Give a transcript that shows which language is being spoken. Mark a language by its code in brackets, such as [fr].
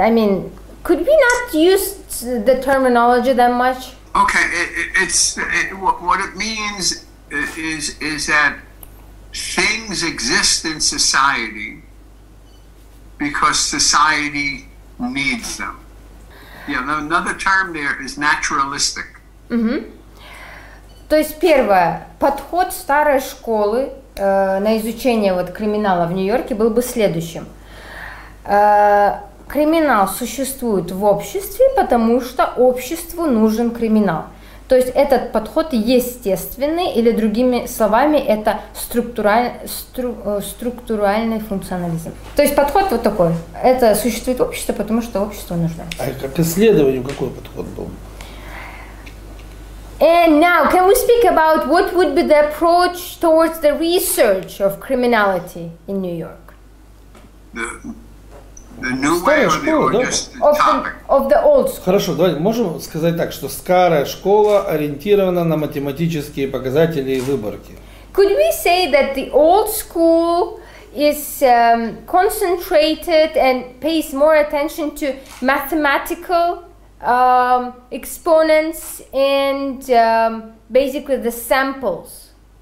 [en] I mean, could we not use the terminology that much? Okay, what it means is that things exist in society because society needs them. Yeah, another term there is naturalistic. [ru] То есть первое, подход старой школы на изучение криминала в Нью-Йорке был бы следующим. Криминал существует в обществе, потому что обществу нужен криминал. То есть этот подход естественный, или другими словами, это структуральный функционализм. То есть подход вот такой. Это существует в обществе, потому что обществу нужно. А как исследование, какой подход был? [en] And now, can we speak about what would be the approach towards the research of criminality in New York? The new way or the old topic? Of the old school. [ru] Хорошо, давайте можем сказать так, что старая школа ориентирована на математические показатели и выборки. [en] Could we say that the old school is concentrated and pays more attention to mathematical exponents and basically the samples?